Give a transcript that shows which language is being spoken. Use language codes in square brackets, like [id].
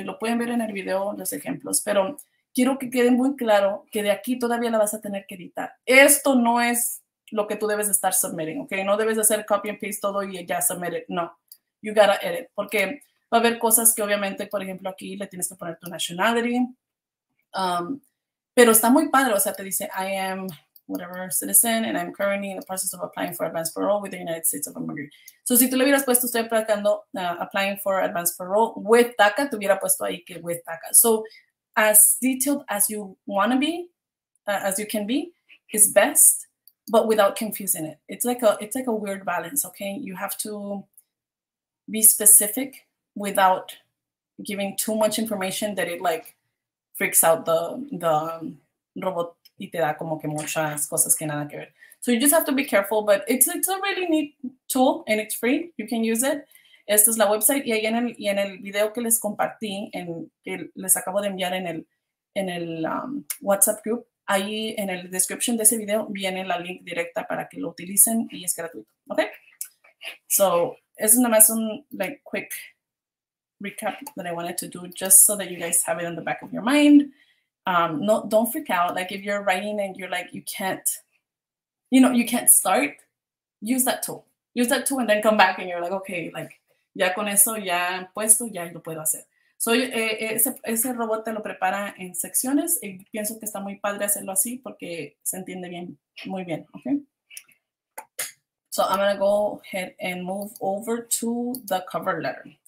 [es] Y lo pueden ver en el video, los ejemplos, pero... Quiero que quede muy claro que de aquí todavía la vas a tener que editar. Esto no es lo que tú debes estar submitting, ¿ok? No debes hacer copy and paste todo y ya submit it. No, [en] you gotta edit. [es] Porque va a haber cosas que obviamente, por ejemplo, aquí le tienes que poner tu nationality. Pero está muy padre. O sea, te dice, [en] I am whatever citizen and I'm currently in the process of applying for advanced parole with the United States of America. [es] So, si tú le hubieras puesto, estoy aplicando, [en] applying for advanced parole with DACA, [es] te hubiera puesto ahí que with DACA. [en] So, as detailed as you want to be, as you can be, is best, but without confusing it. It's like a weird balance, okay? You have to be specific without giving too much information that it, like, freaks out the robot [es] y te da como que muchas cosas que nada que ver. [en] So you just have to be careful, but it's a really neat tool, and it's free. You can use it. [es] Esta es la website y ahí en el video que les compartí, que les acabo de enviar en el WhatsApp group, ahí en el description de ese video viene la link directa para que lo utilicen y es gratuito, ¿ok? [en] So, [es] es nada más un [en] like, quick recap that I wanted to do just so that you guys have it in the back of your mind. No, don't freak out. Like, if you're writing and you're like, you can't start, use that tool. Use that tool and then come back and you're like, okay, like, [es] ya con eso ya puesto, ya lo puedo hacer. Ese robot te lo prepara en secciones y pienso que está muy padre hacerlo así porque se entiende bien, muy bien, ¿ok? [en] So I'm gonna go ahead and move over to the cover letter.